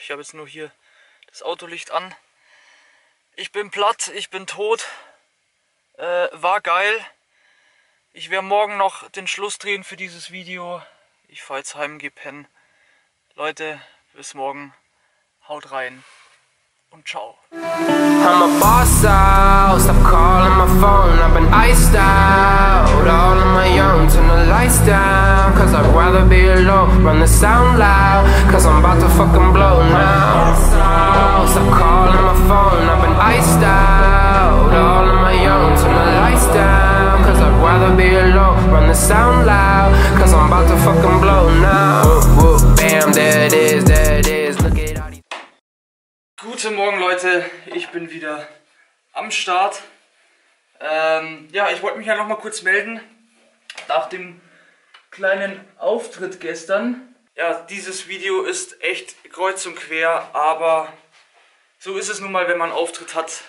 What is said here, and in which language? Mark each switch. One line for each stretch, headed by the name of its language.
German: Ich habe jetzt nur hier das Autolicht an. Ich bin platt, ich bin tot. War geil. Ich werde morgen noch den Schluss drehen für dieses Video. Ich fahre jetzt heim, geh pennen. Leute, bis morgen. Haut rein und ciao.
English: I'm a boss out, stop calling my phone. I've been iced out, all on my own. Turn the lights down, cause I'd rather be alone. Run the sound loud, cause I'm about to fucking blow now. I'm a boss out, stop calling my phone. I've been iced out, all on my own. Turn the lights down. I'd rather be alone, run the sound loud, cause I'm about to fucking blow now. Whoop, whoop, bam, there it is, look at all these.
German: Guten Morgen, Leute, ich bin wieder am Start. Ja, ich wollte mich ja nochmal kurz melden nach dem kleinen Auftritt gestern. Ja, dieses Video ist echt kreuz und quer, aber so ist es nun mal, wenn man einen Auftritt hat.